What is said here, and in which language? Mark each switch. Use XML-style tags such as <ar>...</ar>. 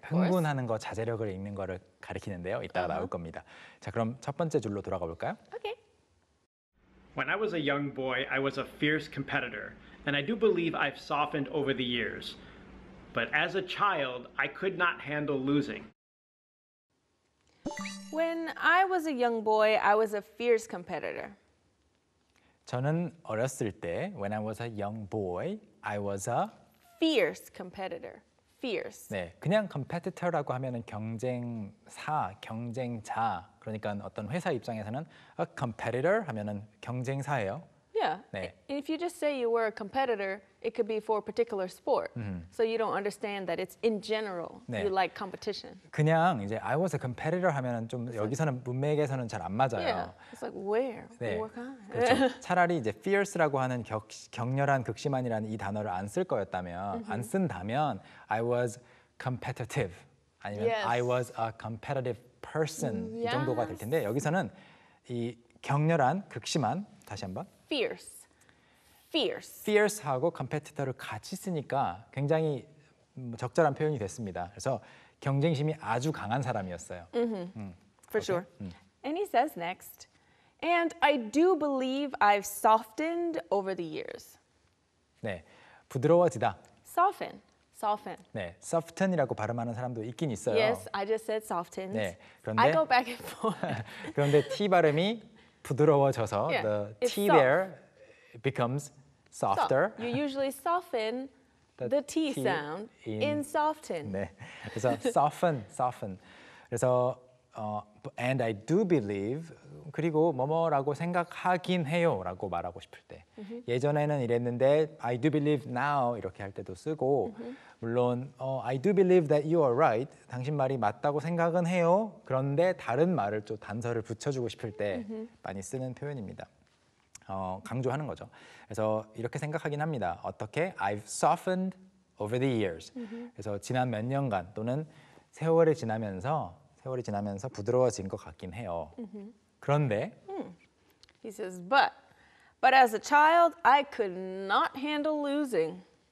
<ko>흥분하는 거, 자제력을 잃는 거를 가리키는데요. 이따가 나올 겁니다. 자, 그럼 첫 번째 줄로 돌아가 볼까요? Okay.</ko> <en>When I was a young boy, I was a fierce competitor, and I do believe I've softened over the years. But as a child, I could not handle losing. When I was a young boy, I was a fierce competitor.</en> <ko>저는 어렸을 때,</ko> <en>when I was a young boy, I was a fierce competitor. Fierce.</en> <ko>네, 그냥 competitor라고 하면은 경쟁사, 경쟁자. 그러니까 어떤 회사 입장에서는 a competitor 하면은 경쟁사예요. Yeah. 네.</ko> <en>If you just say you were a competitor, it could be for a particular sport. So you don't understand that it's in general.</en> <ko>네.</ko> <en>You like competition.</en> <ko>그냥 이제</ko> <en>I was a competitor</en> <ko>하면은 좀</ko> <en>it's</en> <ko>여기서는 문맥에서는 잘 안 맞아요.</ko> <en>Yeah. It's like where?</en> <ko>네.</ko> <en>What kind?</en> <ko>그렇죠. 차라리 이제 fierce라고 하는 격렬한, 극심한이라는 이 단어를 안 쓸 거였다면 안 쓴다면</ko> <en>I was competitive</en> <ko>아니면 yes.</ko> <en>I was a competitive person yes.</en> <ko>이 정도가 될 텐데 여기서는 이 격렬한, 극심한 다시 한번</ko> <en>fierce. fierce.</en> <ko>fierce하고 competitor를 같이 쓰니까 굉장히 적절한 표현이 됐습니다. 그래서 경쟁심이 아주 강한 사람이었어요.</ko> <en>For sure. And he says next, and I do believe I've softened over the years.</en> <ko>네, 부드러워지다.</ko> <en>soften, soften.</en> <ko>네, soften이라고 발음하는 사람도 있긴 있어요.</ko> <en>Yes, I just said softened. 네,</en> <ko>그런데</ko> <en>I go back and forth.</en> <ko>그런데 T 발음이 부드러워져서 yeah,</ko> <en>the T there becomes softer. You usually soften the T sound in soften.</en> <ko>네, 그래서</ko> <en>soften, soften.</en> <ko>그래서</ko> <en>and I do believe</en> <ko>그리고 뭐뭐라고 생각하긴 해요라고 말하고 싶을 때 mm-hmm. 예전에는 이랬는데</ko> <en>I do believe now</en> <ko>이렇게 할 때도 쓰고 mm-hmm. 물론</ko> <en>I do believe that you are right</en> <ko>당신 말이 맞다고 생각은 해요 그런데 다른 말을 좀 단서를 붙여주고 싶을 때 mm-hmm. 많이 쓰는 표현입니다 강조하는 거죠 그래서 이렇게 생각하긴 합니다 어떻게</ko> <en>I've softened over the years mm-hmm.</en> <ko>그래서 지난 몇 년간 또는 세월이 지나면서 세월이 지나면서 부드러워진 것 같긴 해요. Mm-hmm. 그런데</ko> <en>He says, but as a child, I could not handle losing.</en>